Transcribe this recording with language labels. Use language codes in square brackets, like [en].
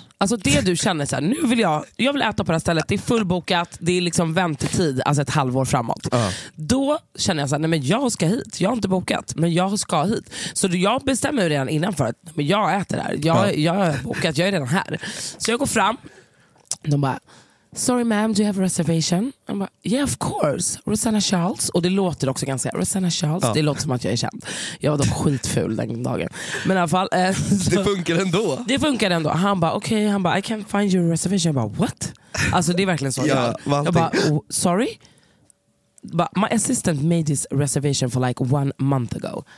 [sv] Alltså det du känner så här, nu vill jag vill äta på det här stället. Det är fullbokat, det är liksom väntetid, alltså ett halvår framåt. Då känner jag så här, nej men jag ska hit. Jag har inte bokat, men jag ska hit. Så jag bestämmer ju redan innan för att men jag äter där. Jag har bokat, jag är redan här. Så jag går fram. De bara, [en] sorry ma'am, do you have a reservation? [sv] Jag bara, [en] yeah of course, Rosanna Charles. [sv] Och det låter också ganska, Rosanna Charles, ja. Det låter som att jag är känd. Jag var då skitful den dagen. Men i alla fall så, det funkar ändå. Det funkar ändå. Han bara, okej, okay. Han bara, [en] I can't find your reservation. [sv] Jag bara, [en] what? [sv] Alltså det är verkligen så. Ja, jag bara, [en] sorry? But my assistant made this reservation for like 1 month ago.